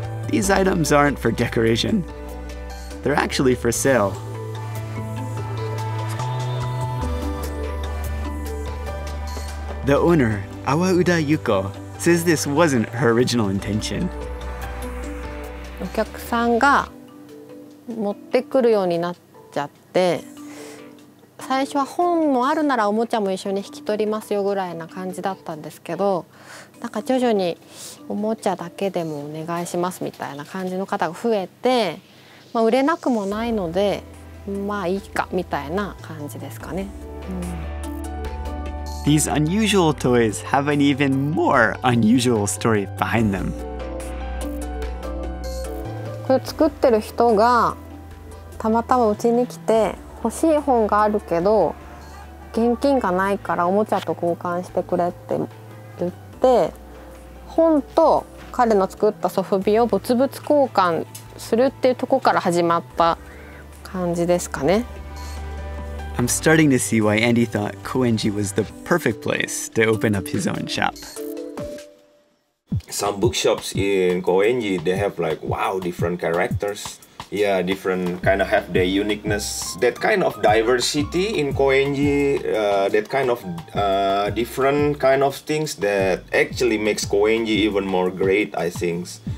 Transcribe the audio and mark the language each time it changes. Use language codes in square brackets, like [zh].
[en] These items aren't for decoration. They're actually for sale. The owner, Awauda Yuko, says this wasn't her original intention. [ja] お客さんが持ってくるようになっちゃって、最初は本もあるならおもちゃも一緒に引き取りますよぐらいな感じだったんですけど、なんか徐々におもちゃだけでもお願いしますみたいな感じの方が増えて、まあ、売れなくもないので、まあいいかみたいな感じですかね。 [en] These unusual toys have an even more unusual story behind them. [ja] これ作ってる人がたまたま家に来て欲しい本があるけど現金がないからおもちゃと交換してくれって言って本と彼の作ったソフビを物々交換するっていうところから始まった感じですかね。 [en] I'm starting to see why Andy thought Koenji was the perfect place to open up his own shop. Some bookshops in Koenji, they have like, wow, different characters. Yeah, different kind of have their uniqueness. That kind of diversity in Koenji, that kind of different kind of things that actually makes Koenji even more great, I think.